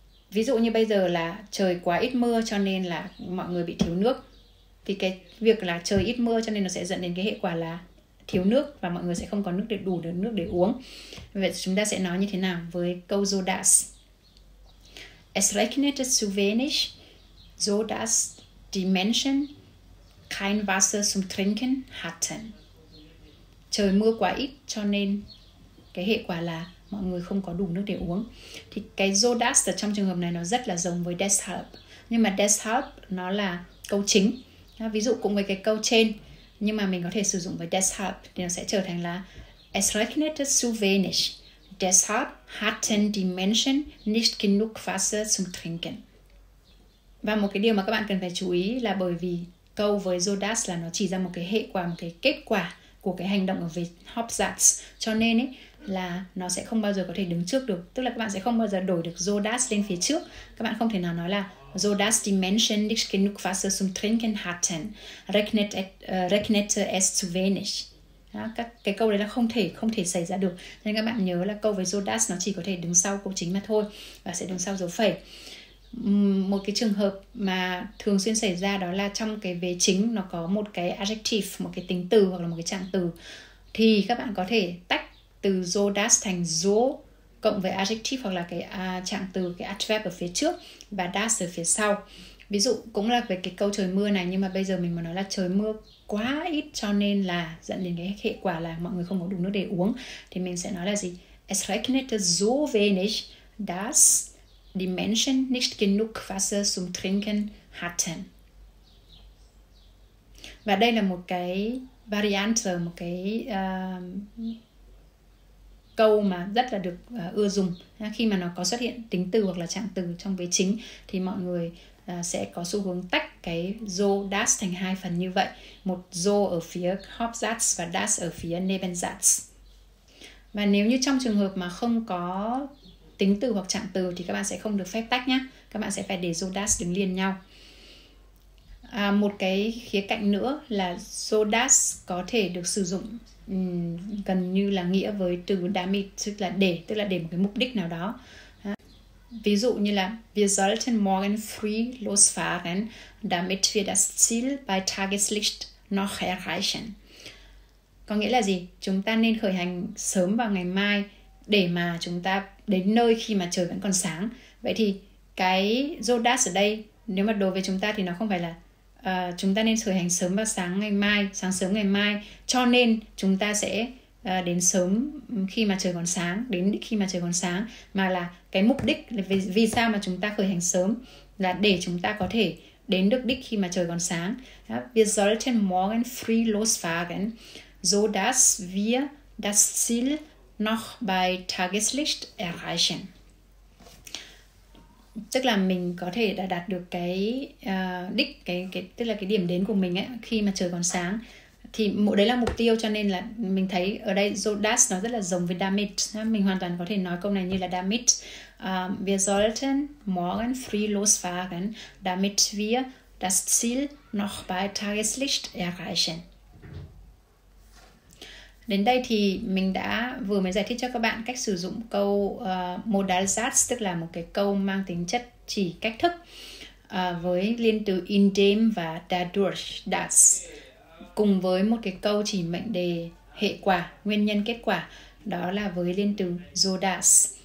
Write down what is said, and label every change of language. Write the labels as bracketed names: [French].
[Vietnamese] Ví dụ như bây giờ là trời quá ít mưa cho nên là mọi người bị thiếu nước. Thì cái việc là trời ít mưa cho nên nó sẽ dẫn đến cái hệ quả là thiếu nước và mọi người sẽ không có nước để đủ được nước để uống. Vậy chúng ta sẽ nói như thế nào với câu Jodas? [German] Es regnete zu wenig, so dass die Menschen kein Wasser zum Trinken hatten. [Vietnamese] Trời mưa quá ít cho nên cái hệ quả là mọi người không có đủ nước để uống. Thì cái Jodas ở trong trường hợp này nó rất là giống với deshalb. Nhưng mà deshalb nó là câu chính. Ví dụ cùng với cái câu trên nhưng mà mình có thể sử dụng với deshalb thì nó sẽ trở thành là [German] Es regnete zu wenig. Deshalb hatten die Menschen nicht genug Wasser zum Trinken. [Vietnamese] Và một cái điều mà các bạn cần phải chú ý là bởi vì câu với Jodas là nó chỉ ra một cái hệ quả, một cái kết quả của cái hành động ở về Hauptsatz. Cho nên ấy, là nó sẽ không bao giờ có thể đứng trước được. Tức là các bạn sẽ không bao giờ đổi được Jodas lên phía trước. Các bạn không thể nào nói là [German] Jodas die Menschen nicht genug Wasser zum Trinken hatten. Regnete es zu wenig. [Vietnamese] Đó, cái câu đấy là không thể xảy ra được. Nên các bạn nhớ là câu với Jodas nó chỉ có thể đứng sau câu chính mà thôi và sẽ đứng sau dấu phẩy. Một cái trường hợp mà thường xuyên xảy ra đó là trong cái vế chính nó có một cái adjective, một cái tính từ hoặc là một cái trạng từ thì các bạn có thể tách từ Jodas thành Jo cộng với adjective hoặc là cái trạng từ, cái adverb ở phía trước và das ở phía sau. Ví dụ cũng là về cái câu trời mưa này nhưng mà bây giờ mình mà nói là trời mưa quá ít cho nên là dẫn đến cái hệ quả là mọi người không có đủ nước để uống thì mình sẽ nói là gì? Es regnete so wenig, dass die Menschen nicht genug Wasser zum Trinken hatten. Và đây là một cái variante, một cái câu mà rất là được ưa dùng. Khi mà nó có xuất hiện tính từ hoặc là trạng từ trong vế chính thì mọi người sẽ có xu hướng tách cái do das thành hai phần như vậy, một do ở phía Hauptsatz và das ở phía Nebensatz. Và nếu như trong trường hợp mà không có tính từ hoặc trạng từ thì các bạn sẽ không được phép tách nhé, các bạn sẽ phải để do das đứng liền nhau. Một cái khía cạnh nữa là do das có thể được sử dụng gần như là nghĩa với từ damit, tức là để một cái mục đích nào đó. Ví dụ như là [German] wir sollten morgen früh losfahren, damit wir das Ziel bei Tageslicht noch erreichen. [Vietnamese] Có nghĩa là gì? Chúng ta nên khởi hành sớm vào ngày mai để mà chúng ta đến nơi khi mà trời vẫn còn sáng. Vậy thì cái Jodas ở đây, nếu mà đối với chúng ta thì nó không phải là chúng ta nên khởi hành sớm vào sáng sớm ngày mai, cho nên chúng ta sẽ đến sớm khi mà trời còn sáng, đến khi mà trời còn sáng, mà là cái mục đích là vì sao mà chúng ta khởi hành sớm là để chúng ta có thể đến được đích khi mà trời còn sáng. [German] Wir sollten morgen früh losfahren, so dass wir das Ziel noch bei Tageslicht erreichen. [Vietnamese] Tức là mình có thể đã đạt được cái đích, tức là cái điểm đến của mình ấy, khi mà trời còn sáng. Thì đấy là mục tiêu cho nên là mình thấy ở đây Jodas nó rất là giống với damit. Mình hoàn toàn có thể nói câu này như là damit. [German] Wir sollten morgen früh losfahren, damit wir das Ziel noch bei Tageslicht erreichen. [Vietnamese] Đến đây thì mình đã vừa mới giải thích cho các bạn cách sử dụng câu Modalsatz, tức là một cái câu mang tính chất chỉ cách thức với liên từ indem và dadurch, das, cùng với một cái câu chỉ mệnh đề hệ quả, nguyên nhân kết quả, đó là với liên từ Jodas.